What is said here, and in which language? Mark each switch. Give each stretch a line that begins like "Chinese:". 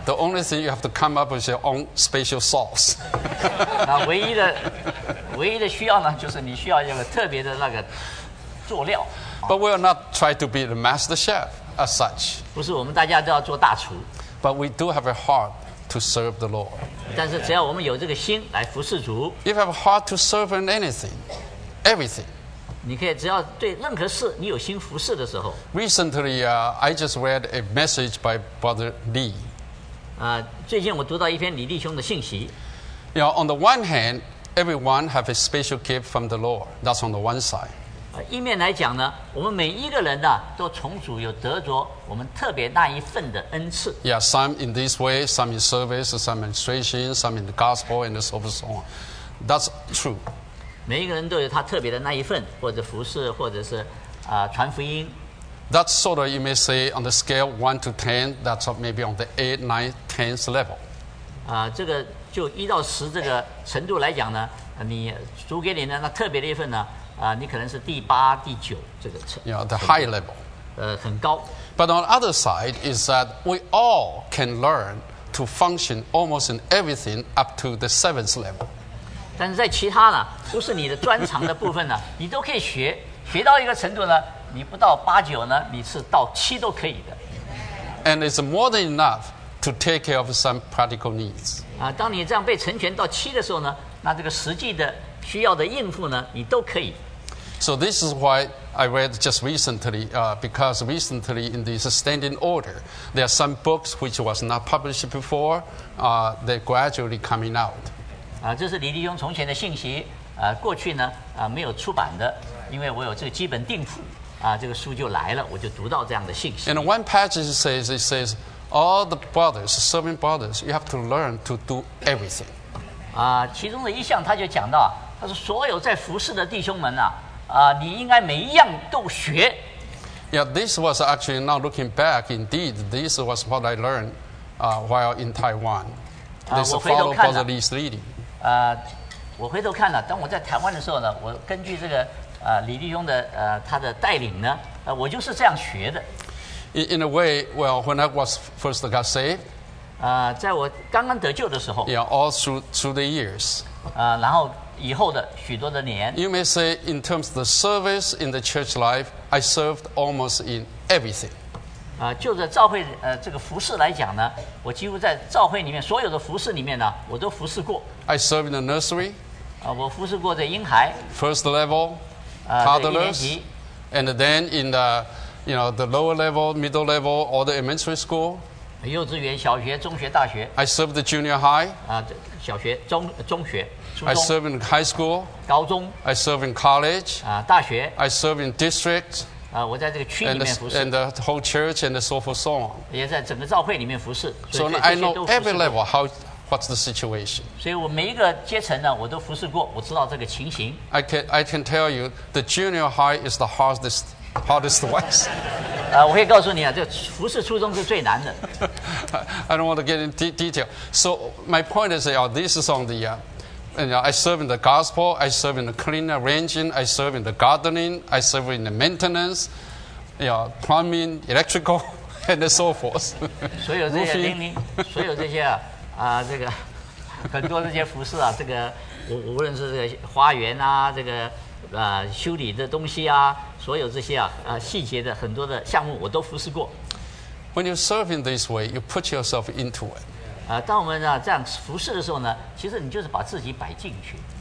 English: ？The only thing you have to come up with is your own special sauce.
Chinese: 那唯一的需要呢，就是你需要一个特别的那个佐料。
English: But we are not try to be the master chef as such.
Chinese: 不是我们大家都要做大厨。
English: But we do have a heart to serve the Lord.
Chinese: 但是只要我们有这个心来服侍主
English: ，If you have a heart to serve in anything, everything.
Chinese: 你可以只要对任何事你有心服侍的时候。
English: Recently, I just read a message by Brother Lee.
Chinese: 最近我读到一篇李弟兄的信息。
English: You know, on the one hand, everyone have a special gift from the Lord. That's on the one side.
Chinese: 一面来讲呢，我们每一个人呢，都从主有得着我们特别那一份的恩赐。
English: Yeah, some in this way, some in service, some in administration, some in the gospel, and so forth. That's true.
Chinese: 每一个人都有他特别的那一份，或者服侍，或者是传福音。
English: That's sort of you may say on the scale 1 to 10. That's maybe on the 8, 9, 10th level.
Chinese: 这个就一到十这个程度来讲呢，你主给你的那特别的一份呢，你可能是第八、第九这个程。
English: Yeah, the high level.
Chinese: 很高。
English: But on the other side is that we all can learn to function almost in everything up to the 7th level.
Chinese: 但是在其他呢，不是你的专长的部分呢，你都可以学，学到一个程度呢，你不到八九呢，你是到七都可以的。
English: And it's more than enough to take care of some practical needs.
Chinese: 当你这样被成全到七的时候呢，那这个实际的需要的应付呢，你都可以。
English: So this is why I read just recently, because recently in this standing order, there are some books which was not published before, they're gradually coming out.
Chinese: 这是李弟兄从前的信息过去呢没有出版的，因为我有这个基本定付这个书就来了，我就读到这样的信息。
English: And one passage says, all the brothers, serving brothers, you have to learn to do everything.
Chinese: 其中的一项他就讲到，他说所有在服侍的弟兄们你应该每一样都学。
English: Yeah, this was actually now looking back, indeed, this was what I learned while in Taiwan. This followed Brother Lee's leading.
Chinese: 我回头看了，当我在台湾的时候呢，我根据这个李弟兄的他的带领呢，我就是这样学的。
English: In a way, well, when I was first got saved,
Chinese: 在我刚刚得救的时候
English: ，Yeah, all through the years,
Chinese: 然后以后的许多的年
English: ，You may say in terms of the service in the church life, I served almost in everything.
Chinese: 就着召会这个服事来讲呢，我几乎在召会里面所有的服事里面呢，我都服事过。
English: I serve in the nursery.
Chinese: 我服侍过在婴孩。
English: First level, toddlers, and then in the, you know, the lower level, middle level, or the elementary school.
Chinese: 幼稚园、小学、中学、大学。
English: I serve the junior high.
Chinese: 小学、中学、
English: I serve in high school.
Chinese: 高中。
English: I serve in college.
Chinese: 大学。
English: I serve in district.
Chinese: 我在这个区里面服侍。
English: And the whole church and so forth so on.
Chinese: 也在整个教会里面服侍。
English: So I know every level how what's the situation.
Chinese: 所以我每一个阶层呢，我都服侍过，我知道这个情形。
English: I can tell you the junior high is the hardest. Hardest ones.
Chinese: 我可以告诉你啊，这服侍初中是最难的。
English: I don't want to get into detail. So my point is, this is on the, I serve in the gospel, I serve in the clean arranging, I serve in the gardening, I serve in the maintenance, plumbing, electrical, and so forth.
Chinese: 所有这些叮咛，所有这些这个很多这些服侍啊，这个无论是这个花园啊，这个修理的东西啊。所有这些细节的很多的项目我都服侍过。
English: When you serve in this way, you put yourself into it.
Chinese: 当我们这样服侍的时候呢，其实你就是把自己摆进去。